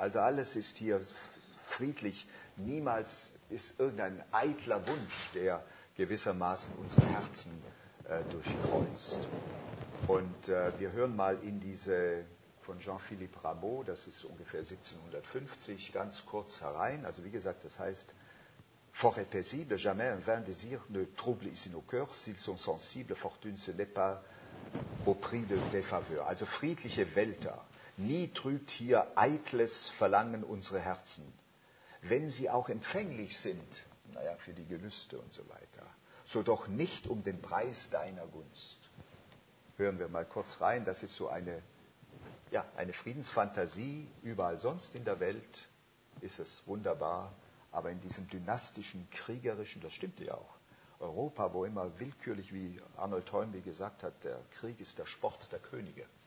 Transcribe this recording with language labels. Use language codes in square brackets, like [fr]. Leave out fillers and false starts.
[de] Also alles ist hier friedlich, niemals ist irgendein eitler Wunsch, der gewissermaßen unsere Herzen durchkreuzt. Und wir hören mal in diese von Jean-Philippe Rameau, das ist ungefähr 1750, ganz kurz herein. Also wie gesagt, das heißt, [fr] fort et paisible, jamais un vain désir ne trouble ici nos cœurs, s'ils sont sensibles, fortune ce n'est pas au prix de tes faveurs. [de] Also friedliche Wälder, nie trübt hier eitles Verlangen unsere Herzen, wenn sie auch empfänglich sind, naja, für die Gelüste und so weiter, so doch nicht um den Preis deiner Gunst. Hören wir mal kurz rein, das ist so eine Friedensfantasie, überall sonst in der Welt ist es wunderbar, aber in diesem dynastischen, kriegerischen, das stimmt ja auch, Europa, wo immer willkürlich, wie Arnold Toynbee gesagt hat, der Krieg ist der Sport der Könige.